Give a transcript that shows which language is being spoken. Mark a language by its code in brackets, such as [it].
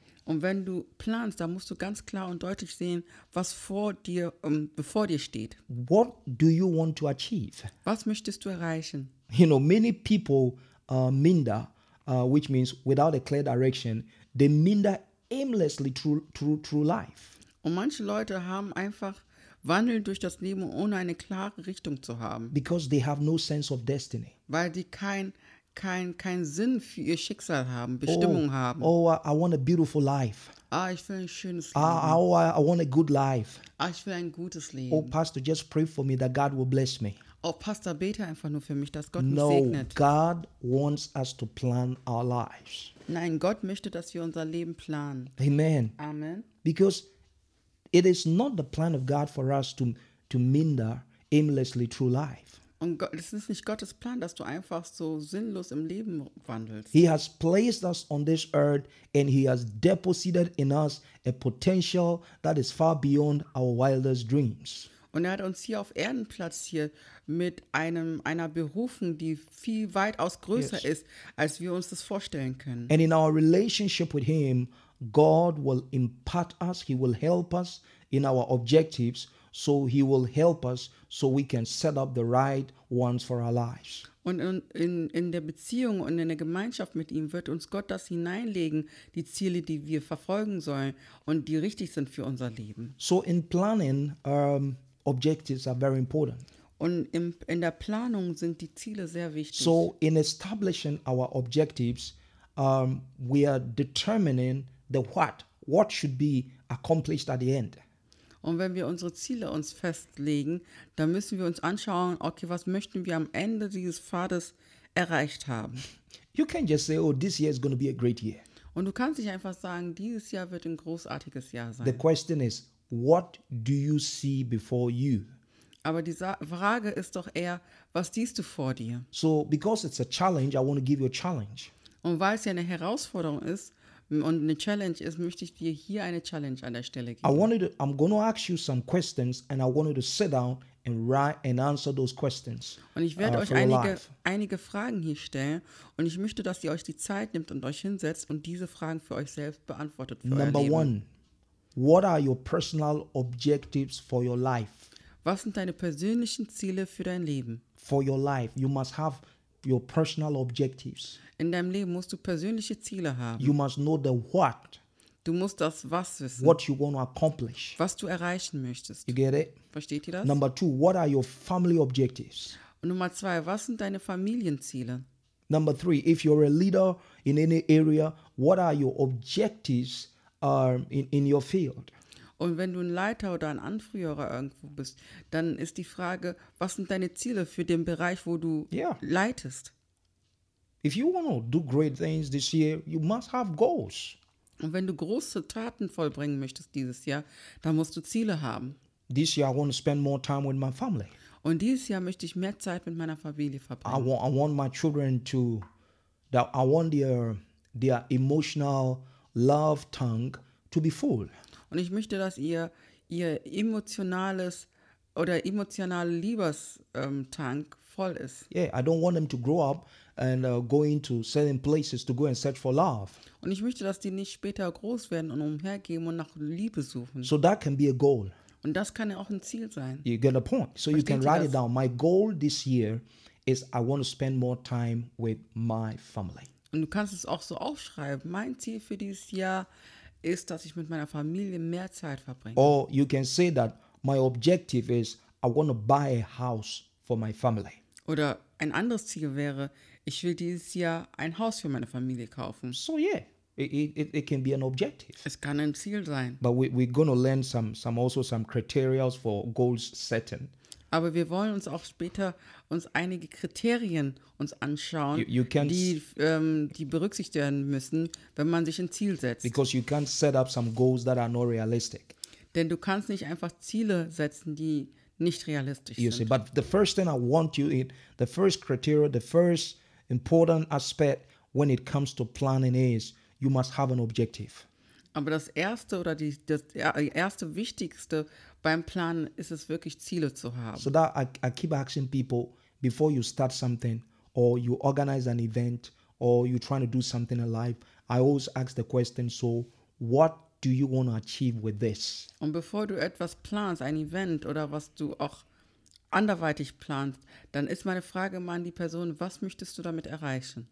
[de] Und wenn du planst, dann musst du ganz klar und deutlich sehen, was vor dir, bevor dir steht. [en] What do you want to achieve? [de] Was möchtest du erreichen? [en] You know, many people minder, which means without a clear direction, they minder aimlessly through life. [de] Und manche Leute haben einfach wandeln durch das Leben, ohne eine klare Richtung zu haben. [en] Because they have no sense of destiny. [de] Weil die kein Sinn für ihr Schicksal haben, Bestimmung haben. [en] Oh, I want a beautiful life. [de] Ah, ich will ein schönes Leben. [en] I want a good life. [de] Ah, ich will ein gutes Leben. [en] Oh, Pastor, just pray for me that God will bless me. [de] Oh, Pastor, bete einfach nur für mich, dass Gott [en] no, [de] mich segnet. [en] No, God wants us to plan our lives. [de] Nein, Gott möchte, dass wir unser Leben planen. [en] Amen. [de] Amen. [en] Because it is not the plan of God for us to minder aimlessly through life. [de] Und es ist nicht Gottes Plan, dass du einfach so sinnlos im Leben wandelst. [en] He has placed us on this earth and he has deposited in us a potential that is far beyond our wildest dreams. [de] Und hat uns hier auf Erden platziert mit einer Berufung, die viel weitaus größer ist, als wir uns das vorstellen können. [en] And in our relationship with him, God will impart us, he will help us in our objectives, so he will help us so we can set up the right ones for our lives. [de] Und in der Beziehung und in der Gemeinschaft mit ihm wird uns Gott das hineinlegen, die Ziele, die wir verfolgen sollen und die richtig sind für unser Leben. [en] So in planning, objectives are very important. [de] Und in der Planung sind die Ziele sehr wichtig. [en] So in establishing our objectives, we are determining the what should be accomplished at the end. [de] Und wenn wir unsere Ziele uns festlegen, dann müssen wir uns anschauen, okay, was möchten wir am Ende dieses Pfades erreicht haben? [en] You can just say, oh, this year is going to be a great year. [de] Und du kannst nicht einfach sagen, dieses Jahr wird ein großartiges Jahr sein. [en] The question is, What do you see before you? [de] Aber die Frage ist doch eher, was siehst du vor dir? [en] So, because it's a challenge, I want to give you a challenge. [de] Und weil es ja eine Herausforderung ist und eine Challenge ist, möchte ich dir hier eine Challenge an der Stelle geben. [en] I'm going to ask you some questions and I want you to sit down and write and answer those questions. [de] Und ich werde euch einige Fragen hier stellen und ich möchte, dass ihr euch die Zeit nimmt und euch hinsetzt und diese Fragen für euch selbst beantwortet für [en] Number [de] euer Leben. [en] One. What are your personal objectives for your life? [de] Was sind deine persönlichen Ziele für dein Leben? [en] For your life, you must have your personal objectives. [de] In deinem Leben musst du persönliche Ziele haben. [en] You must know the what. [de] Du musst das was wissen. [en] What you want to accomplish. [de] Was du erreichen möchtest. [en] You get it? [de] Versteht ihr das? [en] Number two, what are your family objectives? [de] Und Nummer zwei, was sind deine Familienziele? [en] Number three, if you're a leader in any area, what are your objectives in your field? [de] Und wenn du ein Leiter oder ein Anführer irgendwo bist, dann ist die Frage, was sind deine Ziele für den Bereich, wo du leitest? [en] If you want to do great things this year, you must have goals. [de] Und wenn du große Taten vollbringen möchtest dieses Jahr, dann musst du Ziele haben. [en] This year I want to spend more time with my family. [de] Und dieses Jahr möchte ich mehr Zeit mit meiner Familie verbringen. [en] I want my children to, that I want their emotional love tank to be full. [de] Und ich möchte, dass ihr emotionales oder emotionale Liebestank voll ist. [en] Yeah, I don't want them to grow up and go into certain places to go and search for love. [de] Und ich möchte, dass die nicht später groß werden und umhergehen und nach Liebe suchen. [en] So that can be a goal. [de] Und das kann ja auch ein Ziel sein. [en] You get the point. So [de] Versteht [en] you can write [de] das? [en] It down. My goal this year is I want to spend more time with my family. [de] Und du kannst es auch so aufschreiben. Mein Ziel für dieses Jahr ist, dass ich mit meiner Familie mehr Zeit verbringe. [en] Or you can say that my objective is I want to buy a house for my family. [de] Oder ein anderes Ziel wäre, ich will dieses Jahr ein Haus für meine Familie kaufen. [en] So yeah, it can be an objective. [de] Es kann ein Ziel sein. [en] But we're going to learn some criterias for goals setting. [de] Aber wir wollen uns auch später uns einige Kriterien uns anschauen, die berücksichtigt werden müssen, wenn man sich ein Ziel setzt. [en] Because you can't set up some goals that are not realistic. [de] Denn du kannst nicht einfach Ziele setzen, die nicht realistisch sind. [en] You see, but the first thing I want you in, the first criteria, the first important aspect when it comes to planning is, you must have an objective. [de] Aber das erste oder die erste wichtigste beim Plan ist es wirklich Ziele zu haben. [en] So that I keep asking people before you start something or you organize an event or you're trying to do something in life, I always ask the question, so what do you want to achieve with this? [de] Und bevor du etwas planst, ein Event oder was du auch anderweitig planst, dann ist meine Frage immer an die Person, was möchtest du damit erreichen?